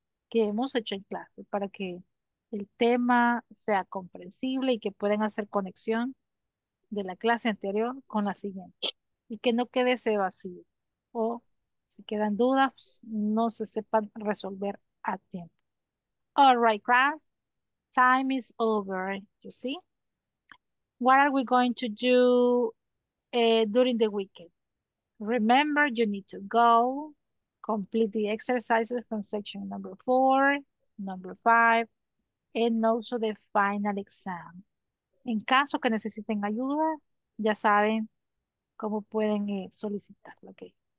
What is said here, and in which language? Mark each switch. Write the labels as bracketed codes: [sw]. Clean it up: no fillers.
[es] que hemos hecho en clase para que el tema sea comprensible y que puedan hacer conexión de la clase anterior con la siguiente y que no quede ese vacío o si quedan dudas, no se sepan resolver a tiempo. [en] All right, class. Time is over. You see? What are we going to do during the weekend? Remember, you need to go. Complete the exercises from section number 4, number 5, and also the final exam. [es] En caso que necesiten ayuda, ya saben cómo pueden solicitarlo, ¿ok?